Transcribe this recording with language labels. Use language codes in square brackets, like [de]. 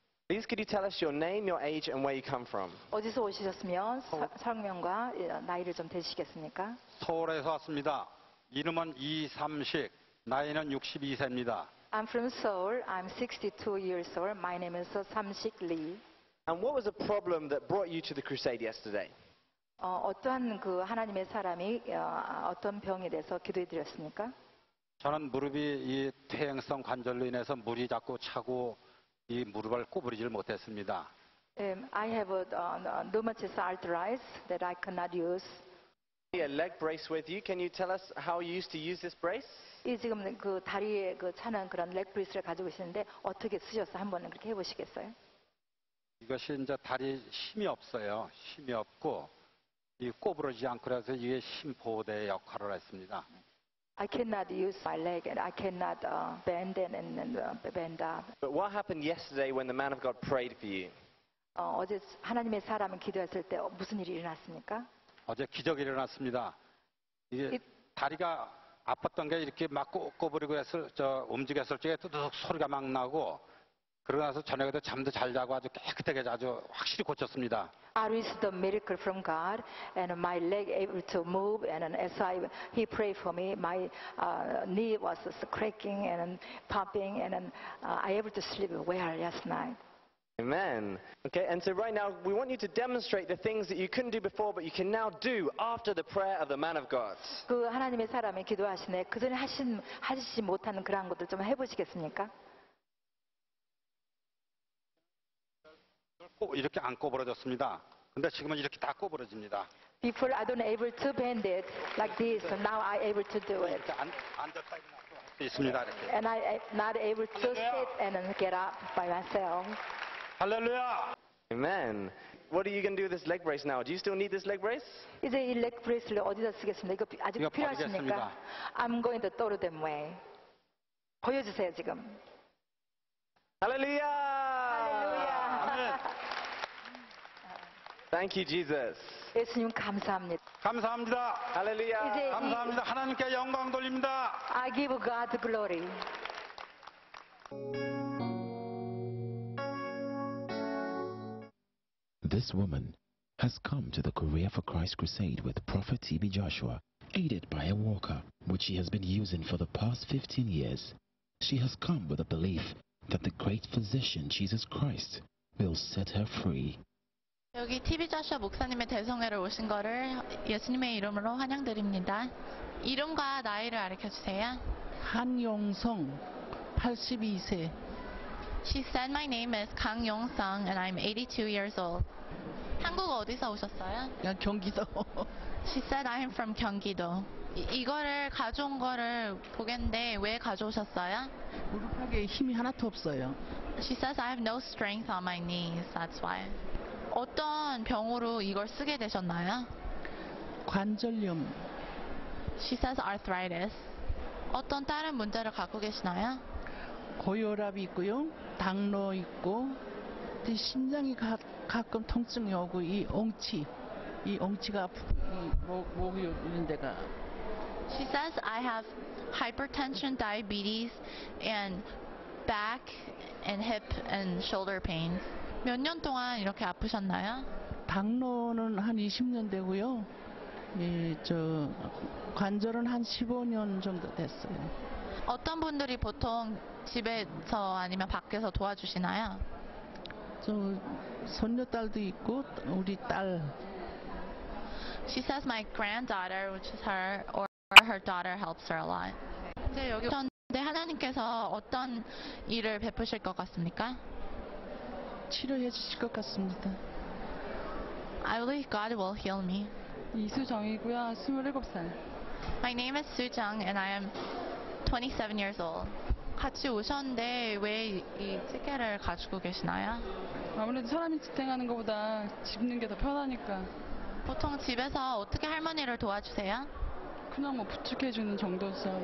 [en] Could you tell us your name, your age, and where you come from? [ko] 어디서 오셨으며 성명과 나이를 좀 대시겠습니까? 서울에서 왔습니다. 이름은 이삼식, 나이는 62세입니다. [en] I'm from Seoul. I'm 62 years old. My name is Samsik Lee. And what was the problem that brought you to the crusade yesterday? [ko] 어떠한 그 하나님의 사람이 어떤 병에 대해서 기도해 드렸습니까? 저는 무릎이 이 퇴행성 관절로 인해서 물이 자꾸 차고 이 무릎을 꼬부리질 못했습니다. [en] I have a rheumatoid arthritis that I cannot use. A yeah, leg brace with you. Can you tell us how you used to use this brace? [ko] 이 지금 그 다리에 그 차는 그런 leg brace를 가지고 있는데 어떻게 쓰셨어요? 한번 그렇게 해보시겠어요? 이것이 이제 다리 힘이 없어요. 힘이 없고 이 꼬부러지지 않고 그래서 이게 힘 보호대 역할을 했습니다. [en] I cannot use my leg and I cannot bend it and bend up. But what happened yesterday when the man of God prayed for you? [ko] 어제 하나님의 사람이 기도했을 때 무슨 일이 일어났습니까? 어제 기적이 일어났습니다. 이게 다리가 아팠던 게 이렇게 막 꼬부리고 했을 저 움직였을 때 뚜둑 소리가 막 나고 그러고 나서 저녁에도 잠도 잘 자고 아주 깨끗하게 아주 확실히 고쳤습니다. [en] I received a miracle from God and my leg able to move and as I, he prayed for me, my knee was cracking and popping and I able to sleep well last night. Amen. Okay, and so right now we want you to demonstrate the things that you couldn't do before but you can now do after the prayer of the man of God. [ko] 그 하나님의 사람이 기도하시네 그전에 하시지 못한 그런 것들 좀 해보시겠습니까? 이렇게 안 꼬부러졌습니다. 근데 지금은 이렇게 다 꼬부러집니다. [en] Before I don't able to bend it like this, so now I able to do it. [ko] 앉았다 일어났다 할 수 있습니다. 이렇게. [en] And I not able to sit and get up by myself. Hallelujah. Amen. What are you going to do with this leg brace now? Do you still need this leg brace? [ko] 이제 이 leg brace를 어디다 쓰겠습니다. 이거 아직 필요하십니까? [en] I'm going to throw them away. [ko] 보여주세요 지금. [en] Hallelujah. Hallelujah. Thank you, Jesus. [ko] 예수님 감사합니다. 감사합니다. 할렐루야. 감사합니다. 하나님께 영광 돌립니다. [en] I give God glory. 이 has come to the Korea for Christ crusade with Prophet T.B. Joshua, aided by a walker, which she has been using for the past 15 years. She has come with a belief that the great physician Jesus Christ will set her free. [ko] 여기 T.B. Joshua 목사님의 대성회를 오신 것을 예수님의 이름으로 환영드립니다. 이름과 나이를 알려주세요. 한용성, 82세. [en] She said my name is Kang Yong-sung and I'm 82 years old. [ko] 한국 어디서 오셨어요? 야, 경기도. [en] She said I'm from 경기도. [ko] 이거를 가져온 거를 보겠는데 왜 가져오셨어요? 무릎팍에 힘이 하나도 없어요. [en] She says I have no strength on my knees. That's why. [ko] 어떤 병으로 이걸 쓰게 되셨나요? 관절염. [en] She says arthritis. [ko] 어떤 다른 문제를 갖고 계시나요? 고혈압이 있고요. 당뇨 있고 심장이 가끔 통증이 오고 이 엉치가 목이 오는 데가. [en] She says I have hypertension, diabetes, and back and hip and shoulder pains. [ko] 몇 년 동안 이렇게 아프셨나요? 당뇨는 한 20년 되고요. 예, 저 관절은 한 15년 정도 됐어요. 어떤 분들이 보통 집에서 아니면 밖에서 도와주시나요? 저 손녀딸도 있고 우리 딸. [en] She says my granddaughter, which is her, or her daughter helps her a lot. [ko] 이제 여기 오셨는데 하나님께서 어떤 일을 베푸실 것 같습니까? 치료해 주실 것 같습니다. [en] I believe God will heal me. [ko] 이수정이고요, 27살. [en] My name is Su Jung and I am 27 years old. [ko] 같이 오셨는데 왜 이 티켓을 가지고 계시나요? 아무래도 사람이 지탱하는 것보다 집 있는 게 더 편하니까. 보통 집에서 어떻게 할머니를 도와주세요? 그냥 뭐 부축해주는 정도서.